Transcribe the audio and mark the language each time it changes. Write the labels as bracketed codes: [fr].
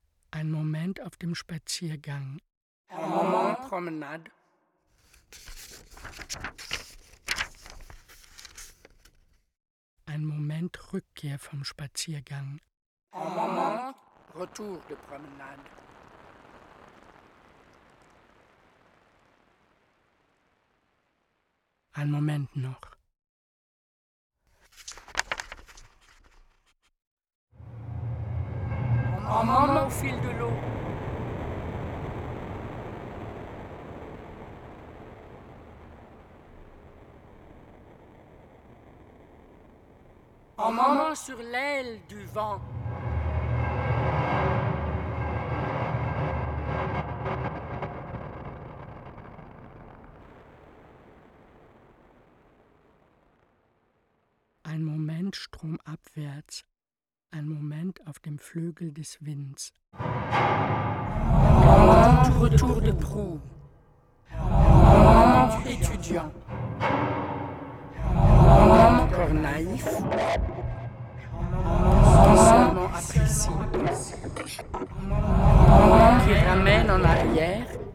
[de] Ein Moment auf dem Spaziergang. [fr] Un moment promenade. [de] Ein Moment Rückkehr vom Spaziergang. [fr] Un moment retour de promenade. [de] Ein Moment noch. [fr] Un moment au fil de l'eau. Un moment sur l'aile du vent. [de] Ein Moment stromabwärts, ein Moment auf dem Flügel des Winds. [fr] Un moment retour de proue. Un moment étudiant. Un moment encore naïf. Un moment apprécié. Un moment qui ramène en arrière.